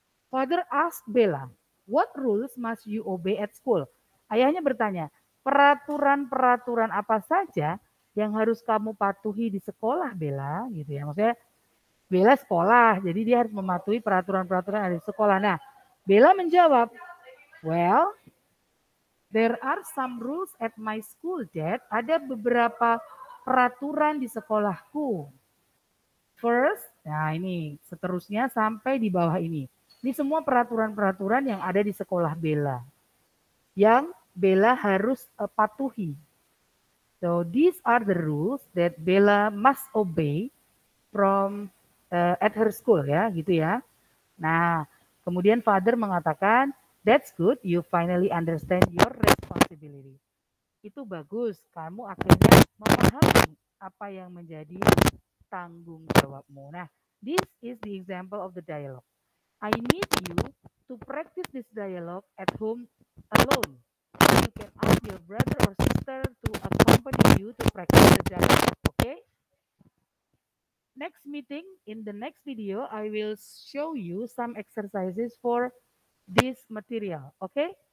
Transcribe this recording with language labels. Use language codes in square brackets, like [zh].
[en] Father ask Bella, "What rules must you obey at school?" [id] Ayahnya bertanya, "Peraturan-peraturan apa saja yang harus kamu patuhi di sekolah, Bella?" Gitu ya. Maksudnya Bella sekolah, jadi dia harus mematuhi peraturan-peraturan yang ada di sekolah. Nah, Bella menjawab, [en] "Well, there are some rules at my school, Dad. [id] Ada beberapa peraturan di sekolahku. First," nah ini seterusnya sampai di bawah ini. Ini semua peraturan-peraturan yang ada di sekolah Bella. Yang Bella harus patuhi. [en] So these are the rules that Bella must obey from at her school, ya, gitu ya. [id] Nah, kemudian father mengatakan, [en] "That's good, you finally understand your responsibility." [id] Itu bagus, kamu akhirnya memahami apa yang menjadi tanggung jawabmu. [en] Nah, this is the example of the dialogue. "I need you to practice this dialogue at home alone. You can ask your brother or sister to accompany you to practice the dialogue, okay?" Next meeting, in the next video, I will show you some exercises for this material, okay?